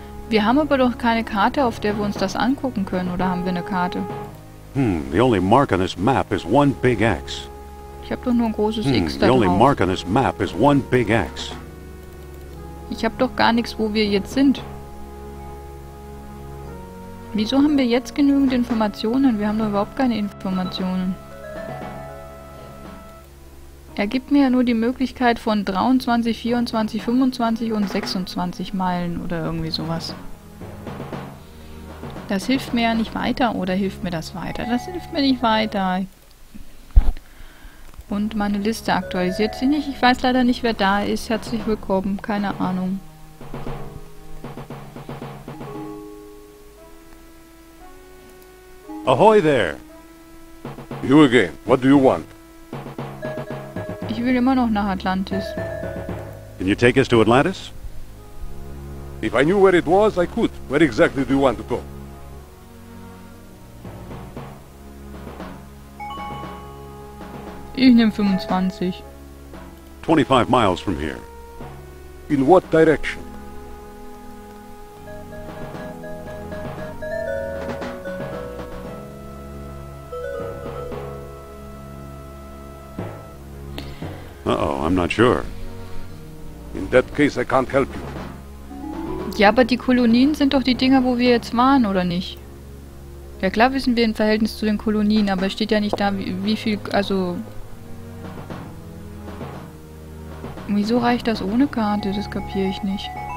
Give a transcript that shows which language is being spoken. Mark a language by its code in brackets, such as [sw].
[de] Wir haben aber doch keine Karte, auf der wir uns das angucken können, oder haben wir eine Karte? [en] The only mark on this map is one big X. [de] Ich habe doch nur ein großes X da drauf. [en] The only mark on this map is one big X. [de] Ich habe doch gar nichts, wo wir jetzt sind. Wieso haben wir jetzt genügend Informationen? Wir haben doch überhaupt keine Informationen. Er gibt mir ja nur die Möglichkeit von 23, 24, 25 und 26 Meilen oder irgendwie sowas. Das hilft mir ja nicht weiter, oder hilft mir das weiter? Das hilft mir nicht weiter. Und meine Liste aktualisiert sich nicht. Ich weiß leider nicht, wer da ist. Herzlich willkommen. Keine Ahnung. [en] Ahoy there! You again. What do you want? [de] Ich will immer noch nach Atlantis. [en] Can you take us to Atlantis? If I knew where it was, I could. Where exactly do you want to go? [de] Ich nehme 25. [en] 25 miles from here. In what direction? I'm not sure. In that case, I can't help you. [de] Ja, aber die Kolonien sind doch die Dinger, wo wir jetzt waren, oder nicht? Ja, klar wissen wir im Verhältnis zu den Kolonien, aber es steht ja nicht da, wie viel, also... Wieso reicht das ohne Karte? Das kapiere ich nicht.